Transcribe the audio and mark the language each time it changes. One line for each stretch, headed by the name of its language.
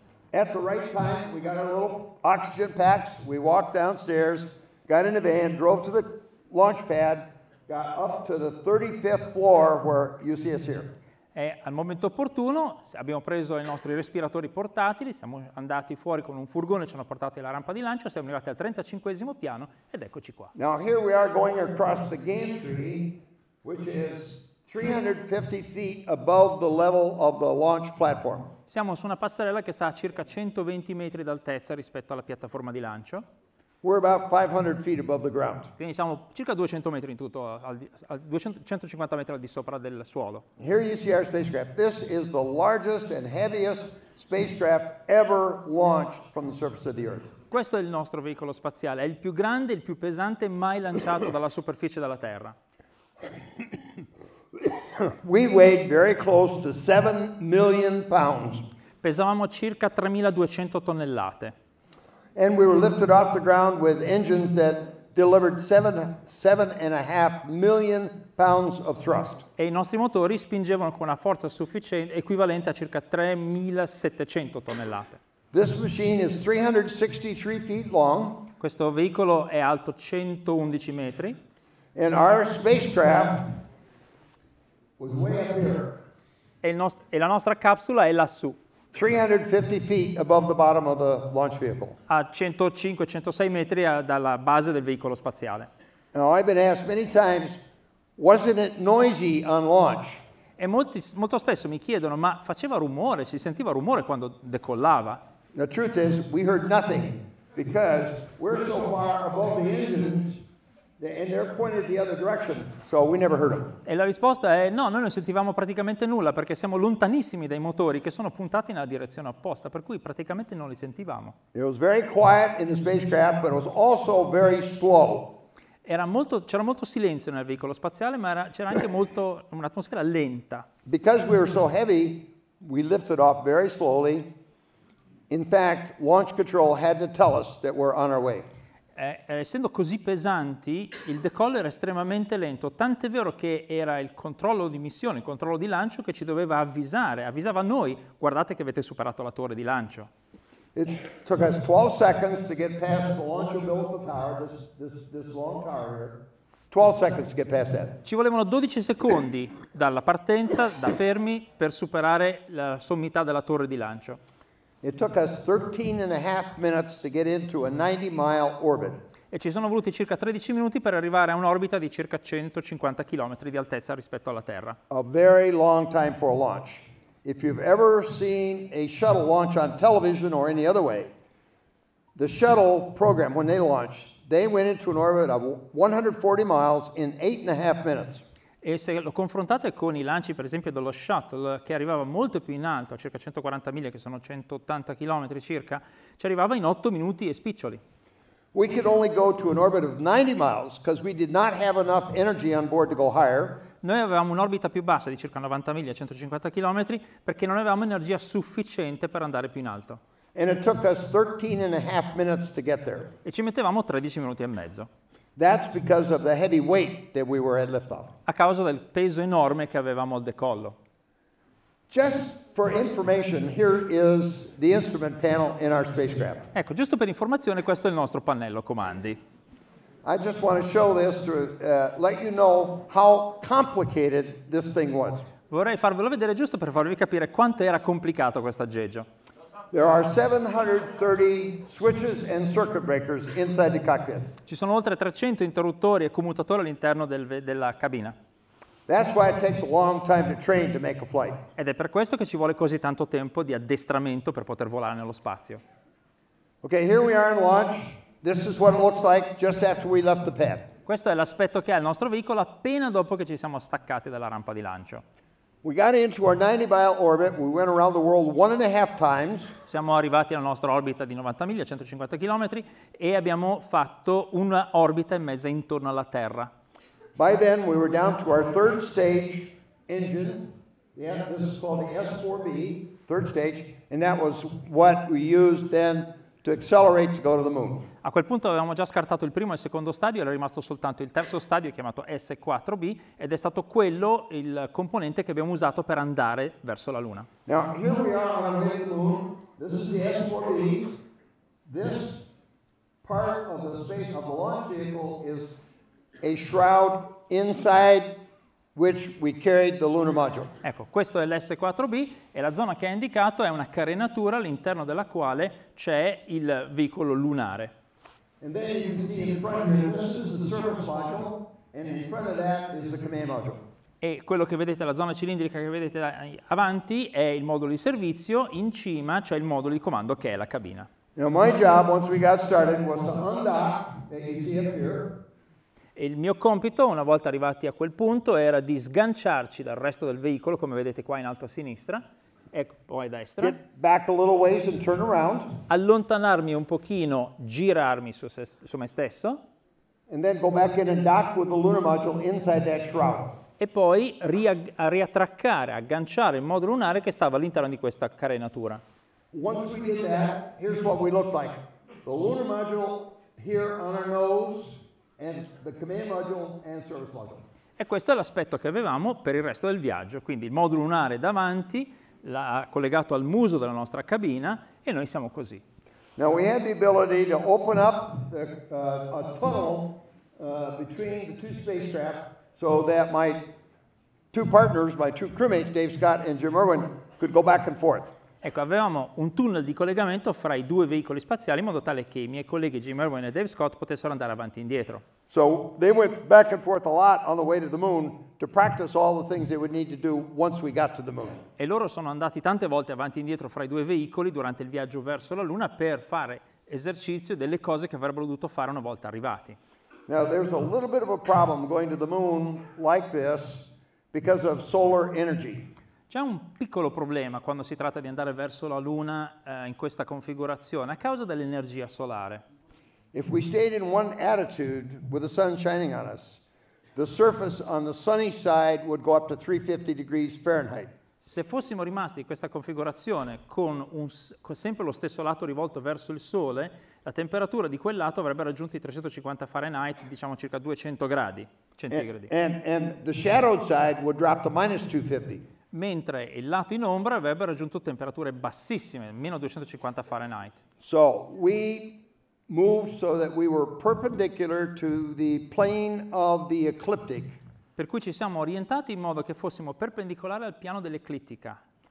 English: At the right time, we got our little oxygen packs. We walked downstairs, got in the van, drove to the launch pad, got up to the 35th floor where you see us here.
Italian: E al momento opportuno abbiamo preso i nostri respiratori portatili, siamo andati fuori con un furgone, ci hanno portati alla rampa di lancio, siamo arrivati al 35esimo piano ed eccoci qua.
English: Now here we are going across the gantry, which is 350 feet above the level of the launch platform.
Italian: Siamo su una passerella che sta a circa 120 metri d'altezza rispetto alla piattaforma di lancio.
English: We're about 500 feet above the ground.
Italian: Quindi siamo circa 200 metri in tutto, 150 metri al di sopra del suolo.
English: Here you see our spacecraft. This is the largest and heaviest spacecraft ever launched from the surface of the Earth.
Italian: Questo è il nostro veicolo spaziale. È il più grande, il più pesante mai lanciato dalla superficie della Terra.
English: We weighed very close to 7 million pounds.
Italian: Pesavamo circa 3200 tonnellate.
English: And we were lifted off the ground with engines that delivered 7.5 million pounds of thrust.
Italian: E i nostri motori spingevano con una forza sufficiente equivalente a circa 3700 tonnellate.
English: This machine is 363 feet long.
Italian: Questo veicolo è alto 111 metri.
English: And our spacecraft was way up here.
Italian: E la nostra capsula è lassù.
English: 350 feet above the bottom of the launch vehicle.
Italian: A 105-106 metri dalla base del veicolo spaziale.
English: Now I've been asked many times, wasn't it noisy on launch?
Italian: E molto spesso mi chiedono, ma faceva rumore, si sentiva rumore quando decollava?
English: The truth is, we heard nothing, because we're so far above the engines, and they're pointed the other direction, so we never heard them.
Italian: E la risposta è no, noi non sentivamo praticamente nulla perché siamo lontanissimi dai motori che sono puntati nella direzione opposta, per cui praticamente non li sentivamo.
English: It was very quiet in the spacecraft, but it was also very slow.
Italian: C'era molto silenzio nel veicolo spaziale, ma c'era anche molto un'atmosfera lenta.
English: Because we were so heavy, we lifted off very slowly. In fact, launch control had to tell us that we're on our way.
Italian: Essendo così pesanti, il decollo era estremamente lento, tant'è vero che era il controllo di missione, il controllo di lancio che ci doveva avvisare, avvisava a noi, guardate che avete superato la torre di lancio.
English: It took us 12 seconds to get past the launch umbilical tower, this long tower here. 12 seconds to get past that.
Italian: Ci volevano 12 secondi dalla partenza, da fermi, per superare la sommità della torre di lancio.
English: It took us 13 and a half minutes to get into a 90-mile orbit.
Italian: E ci sono voluti circa 13 minuti per arrivare a un'orbita di circa 150 km di altezza rispetto alla Terra.
English: A very long time for a launch. If you've ever seen a shuttle launch on television or any other way, the shuttle program, when they launched, they went into an orbit of 140 miles in 8.5 minutes.
Italian: E se lo confrontate con i lanci, per esempio, dello shuttle, che arrivava molto più in alto, a circa 140 miglia, che sono 180 km circa, ci arrivava in 8 minuti e spiccioli.
English: We could only go to an orbit of 90 miles, because we did not have enough energy on board to go higher.
Italian: Noi avevamo un'orbita più bassa, di circa 90 miglia, 150 km, perché non avevamo energia sufficiente per andare più in alto.
English: And it took us 13 and a half minutes to get there.
Italian: E ci mettevamo 13 minuti e mezzo.
English: That's because of the heavy weight that we were at liftoff.
Italian: A causa del peso enorme che avevamo al decollo.
English: Just for information, here is the instrument panel in our spacecraft.
Italian: Ecco, giusto per informazione, questo è il nostro pannello comandi.
English: I just want to show this to let you know how complicated this thing was.
Italian: Vorrei farvelo vedere giusto per farvi capire quanto era complicato questo aggeggio.
English: There are 730 switches and circuit breakers inside the cockpit.
Italian: Ci sono oltre 300 interruttori e commutatori all'interno della cabina.
English: That's why it takes a long time to train to make a flight.
Italian: Ed è per questo che ci vuole così tanto tempo di addestramento per poter volare nello spazio.
English: Okay, here we are in launch. This is what it looks like just after we left the pad.
Italian: Questo è l'aspetto che ha il nostro veicolo appena dopo che ci siamo staccati dalla rampa di lancio.
English: We got into our 90-mile orbit. We went around the world 1.5 times.
Italian: Siamo arrivati alla nostra orbita di 90 miglia, 150 km, e abbiamo fatto un'orbita e mezza intorno alla Terra.
English: By then, we were down to our third stage engine. Yeah, this is called the S4B, third stage, and that was what we used then to accelerate to go to the moon.
Italian: A quel punto avevamo già scartato il primo e il secondo stadio, era rimasto soltanto il terzo stadio, chiamato S4B, ed è stato quello il componente che abbiamo usato per andare verso la Luna.
English: Now, here we are on the moon. This is the S4B. This part of the space of the launch vehicle is a shroud inside which we carried the lunar module.
Italian: Ecco, questo è l'S4B e la zona che ha indicato è una carenatura all'interno della quale c'è il veicolo lunare.
English: And then you can see in front of you, this is the service module, and in front of that is the command module.
Italian: E quello che vedete, la zona cilindrica che vedete avanti, è il modulo di servizio, in cima c'è il modulo di comando che è la cabina.
English: Now my job, once we got started, was to undock, that you see up here.
Italian: E il mio compito, una volta arrivati a quel punto, era di sganciarci dal resto del veicolo, come vedete qua in alto a sinistra, e poi a destra.
English: Get back a little ways and turn around.
Italian: Allontanarmi un pochino, girarmi su me stesso.
English: And then go back in and dock with the lunar module inside that shroud.
Italian: E poi riattraccare, agganciare il modulo lunare che stava all'interno di questa carenatura.
English: Once we did that, here's what we looked like. The lunar module here on our nose and the command module and service module.
Italian: E questo è l'aspetto che avevamo per il resto del viaggio. Quindi il modulo lunare davanti, collegato al muso della nostra cabina, e noi siamo così.
English: Now we had the ability to open up a tunnel between the two spacecraft. So that my two partners, my two crewmates, Dave Scott and Jim Irwin, could go back and forth.
Italian: Ecco, avevamo un tunnel di collegamento fra i due veicoli spaziali in modo tale che i miei colleghi Jim Irwin e Dave Scott potessero andare avanti e indietro.
English: So they went back and forth a lot on the way to the moon to practice all the things they would need to do once we got to the moon.
Italian: E loro sono andati tante volte avanti e indietro fra i due veicoli durante il viaggio verso la Luna per fare esercizio delle cose che avrebbero dovuto fare una volta arrivati.
English: Now there's a little bit of a problem going to the moon like this because of solar energy.
Italian: C'è un piccolo problema quando si tratta di andare verso la Luna in questa configurazione a causa dell'energia solare.
English: If we stayed in one attitude with the sun shining on us, the surface on the sunny side would go up to 350 degrees Fahrenheit.
Italian: Se fossimo rimasti in questa configurazione con sempre lo stesso lato rivolto verso il sole, la temperatura di quel lato avrebbe raggiunto i 350 Fahrenheit, diciamo circa 200 gradi centigradi.
English: And the shadowed side would drop to minus 250.
Italian: Mentre il lato in ombra avrebbe raggiunto temperature bassissime, meno 250 Fahrenheit.
English: So we moved so that we were perpendicular to the plane of the ecliptic.
Italian: Per cui ci siamo orientati in modo che fossimo perpendicolari al piano dell'eclittica.